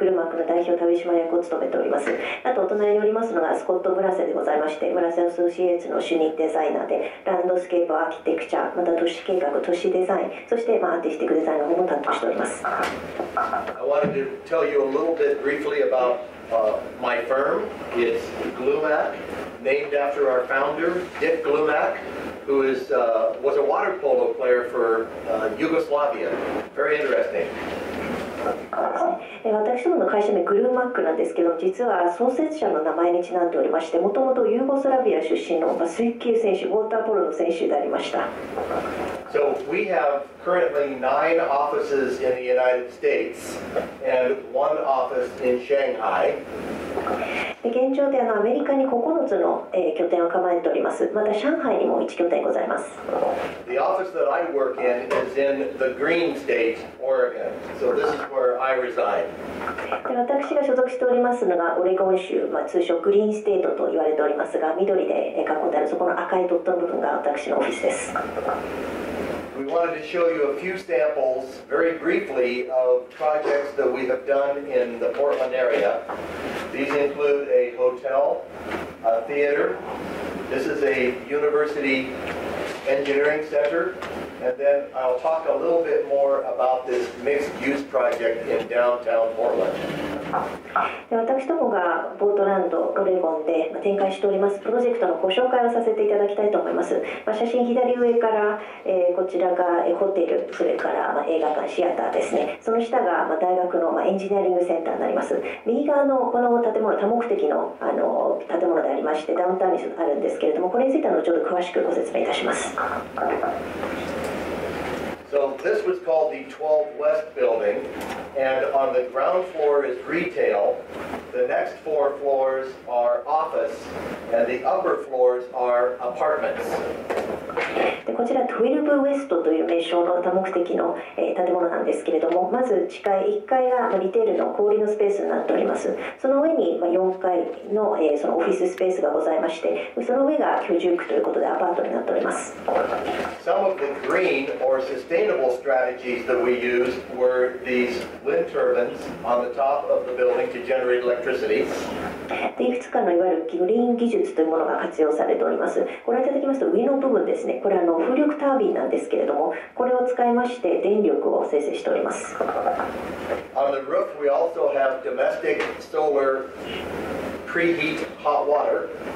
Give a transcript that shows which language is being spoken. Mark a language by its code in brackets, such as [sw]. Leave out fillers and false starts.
[ja] グルマークの代表取締役を務めております。あとお隣におりますのがスコット・ムラセでございまして、ムラセアソシエイツの主任デザイナーで、ランドスケープアーキテクチャ、また都市計画、都市デザイン、そしてアーティスティックデザインの方も担当しております。 [en] I wanted to tell you a little bit briefly aboutMy firm is Glumac, named after our founder, Dick Glumac, who is, was a water polo player for Yugoslavia. Very interesting. [ja] 私どもの会社名グルーマックなんですけど、実は創設者の名前にちなんでおりまして、もともとユーゴスラビア出身の水球選手、ウォーターポロの選手でありました。 [en] So we have currently 9 offices in the United States and 1 office in Shanghai。 [ja] で、現状でアメリカに9つの、拠点を構えております。また上海にも1拠点ございます。 [en] The office that I work in is in the green state, Oregon. So this is where I reside. [ja] で、私が所属しておりますのがオレゴン州、通称グリーンステートと言われておりますが、緑で囲んであるそこの赤いドットの部分が私のオフィスです。 [en] We wanted to show you a few samples very briefly of projects that we have done in the Portland area. These include a hotel, a theater, this is a university engineering center. And then I'll talk a little bit more about this mixed-use project in downtown Portland. [ja] 私どもがポートランド、オレゴンで展開しておりますプロジェクトのご紹介をさせていただきたいと思います。写真左上から、こちらがホテル、それから映画館、シアターですね。その下が大学のエンジニアリングセンターになります。右側のこの建物、多目的の建物でありまして、ダウンタウンにあるんですけれども、これについては後ほど詳しくご説明いたします。 [en] So this was called the 12 West Building, and on the ground floor is retail, the next four floors are office, and the upper floors are apartments. [ja] でこちら12ウエストという名称の多目的の、建物なんですけれども、まず地下1階がリテールの小売りのスペースになっております。その上に4階の、そのオフィススペースがございまして、その上が居住区ということでアパートになっております。 [en] Some of the green or sustainable strategies that we used were these wind turbines on the top of the building to generate electricity. [ja] でいくつかのいわゆるグリーン技術というものが活用されております。ご覧いただきますと上の部分ですね、これは風力タービンなんですけれども、これを使いまして電力を生成しております。 [en] On the roof we also have domestic solar preheat hot water。